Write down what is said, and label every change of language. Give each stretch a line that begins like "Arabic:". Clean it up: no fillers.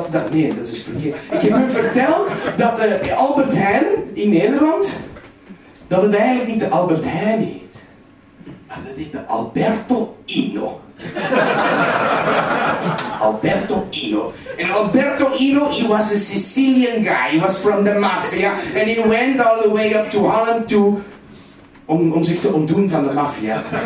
Dutch: Nee, dat is verkeerd. Ik heb hem verteld dat Albert Heijn in Nederland, dat het eigenlijk niet de Albert Heijn heet, maar dat heet de Alberto Ino. Alberto Ino. En
English: Alberto Ino, he was a Sicilian guy, he was from the mafia, and he went all the way up to Holland to...
Dutch: Om zich te ontdoen van de maffia.